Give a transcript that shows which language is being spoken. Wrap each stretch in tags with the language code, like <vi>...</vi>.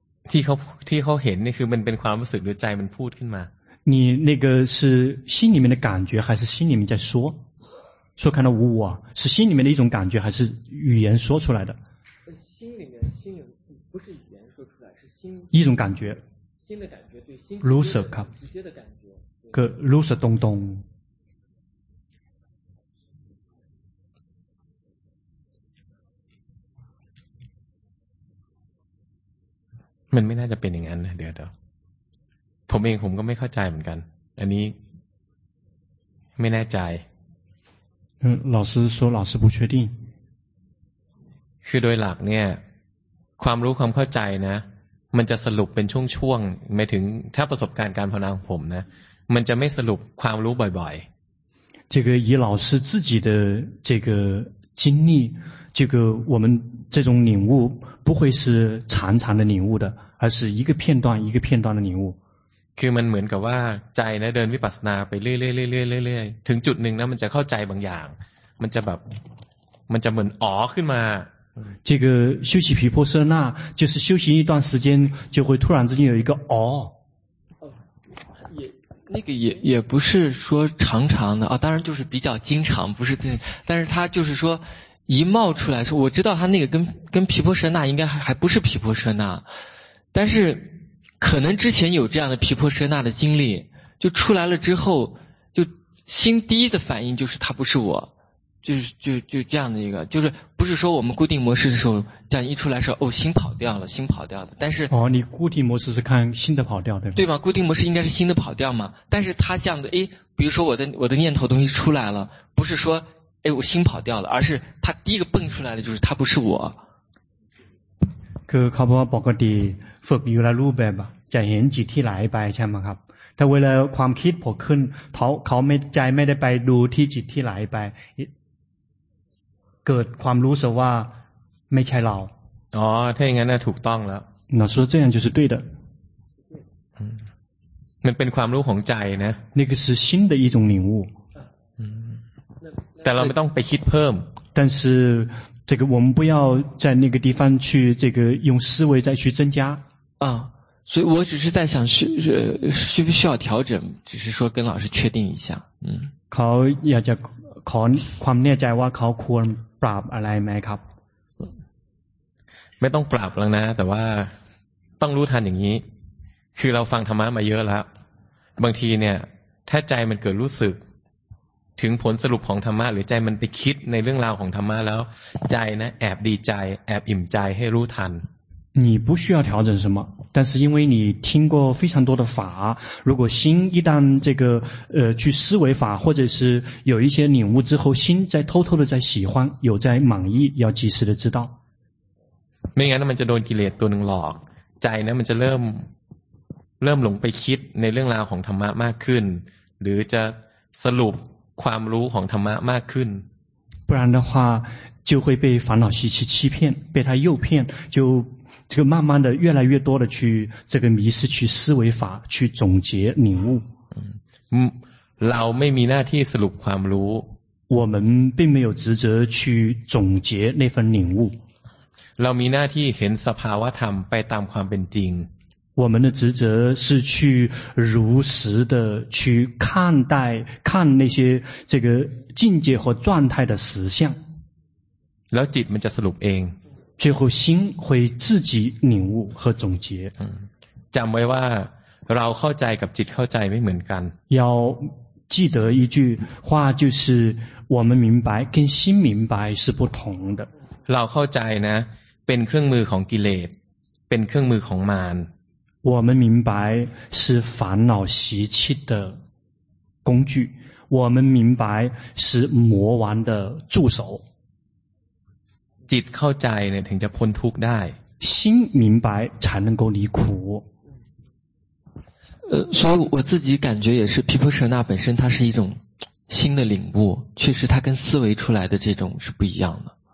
<th>ที่เขาเห็นนี่คือมันเป็นความรู้สึกหรือใจมันพูดขึ้นมา</th> <zh>你那个是心里面的感觉还是心里面在说说看到无我是心里面的一种感觉还是语言说出来的心里面不是语言说出来是心一种感觉心的感觉对心如实直接的感觉个撸是东东，</zh> <th>มันไม่น่าจะเป็นอย่างนั้นนะเดี๋ยวผมเองผมก็ไม่เข้าใจเหมือนกันอันนี้ไม่แน่ใจ</th> <zh>老师说老师不确定</zh> <th>คือโดยหลักเนี่ยความรู้ความเข้าใจนะมันจะสรุปเป็นช่วงๆหมายถึงถ้าประสบการณ์การภาวนาของผมนะมันจะไม่สรุปความรู้บ่อย</th> <zh>ๆ这个以老师自己的这个经历这个我们这种领悟不会是长长的领悟的而是一个片段一个片段的领悟</zh> <th>คือมันเหมือนกับว่าใจนะเดินวิปัสสนาไปเรื่อยๆๆๆๆถึงจุดหนึ่งนะมันจะเข้าใจบางอย่างมันจะแบบมันจะเหมือนอ๋อขึ้นมา</th> <zh>这个修习毗婆舍那就是修行一段时间就会突然之间有一个哦那个也不是说常常的啊、哦、当然就是比较经常不是但是他就是说一冒出来说我知道他那个跟毗婆舍那应该还不是毗婆舍那但是可能之前有这样的毗婆舍那的经历就出来了之后就心第一的反应就是他不是我就这样的一个就是不是说我们固定模式的时候这样一出来说哦心跑掉了心跑掉了但是哦你固定模式是看心的跑掉对吧对吧固定模式应该是心的跑掉嘛但是它像的诶比如说我的念头东西出来了不是说诶我心跑掉了而是它第一个蹦出来的就是它不是我</zh> <th>คือเขาบอกว่าปกติฝึกอยู่ในรูปแบบจะเห็นจิตที่ไหลไปใช่ไหมครับแต่เวลาความคิดผุดขึ้นเขาไม่ใจไม่ได้ไปดูที่จิตที่ไหลไปเกิดความรู้สึกว่าไม่ใช่เรา อ๋อถ้าอย่างนั้นถูกต้องแล้ว</th> <zh>那说这样就是对的。</zh> <th>嗯，那เป็นความรู้ของใจนะ。</th> <zh>那个是新的一种领悟。</zh> <th>嗯。แต่เราไม่ต้องไปคิดเพิ่ม。</th> <zh>但是这个我们不要在那个地方去这个用思维再去增加。啊，所以我只是在想需不需要调整，只是说跟老师确定一下。嗯。</zh> <th>เขาอยากจะขอความแน่ใจว่าเขาควรปรับอะไรไหมครับ ไม่ต้องปรับแล้วนะแต่ว่าต้องรู้ทันอย่างนี้คือเราฟังธรรมะมาเยอะแล้วบางทีเนี่ยถ้าใจมันเกิดรู้สึกถึงผลสรุปของธรรมะหรือใจมันไปคิดในเรื่องราวของธรรมะแล้วใจนะแอบดีใจแอบอิ่มใจให้รู้ทัน</th> <zh>你不需要调整什么但是因为你听过非常多的法如果心一旦这个去思维法或者是有一些领悟之后心在偷偷的在喜欢有在满意要及时的知道</zh> <th>ไม่งั้นมันจะโดนกิเลสตัวหนึ่งหลอกใจนะมันจะเริ่มหลงไปคิดในเรื่องราวของธรรมะมากขึ้นหรือจะสรุปความรู้ของธรรมะมากขึ้น</th> <zh>不然的话就会被烦恼习气欺骗被他诱骗就这个慢慢的越来越多的去这个迷失去思维法去总结领悟</zh> <th>เราไม่มีหน้าที่สรุปความรู้</th> <zh>我们并没有职责去总结那份领悟</zh> <th>เรามีหน้าที่เห็นสภาวะธรรมไปตามความเป็นจริง</th> <zh>我们的职责是去如实的去看待看那些这个境界和状态的实相</zh> <th>แล้วจิตมันจะสรุปเอง</th> <zh>最后心会自己领悟和总结</zh> <th>จำไว้ว่าเราเข้าใจกับจิตเข้าใจไม่เหมือนกัน</th> <zh>要记得一句话就是我们明白跟心明白是不同的</zh> <th>เราเข้าใจนะเป็นเครื่องมือของกิเลสเป็นเครื่องมือของมาร</th> <zh>我们明白是烦恼习气的工具我们明白是魔王的助手</zh> <th>จิตเข้าใจเนี่ยถึงจะพ้นทุกข์ได้</th> <zh>心明白才能够离苦所以我自己感觉也是毗婆舍那本身它是一种新的领悟确实它跟思维出来的这种是不一样的</zh>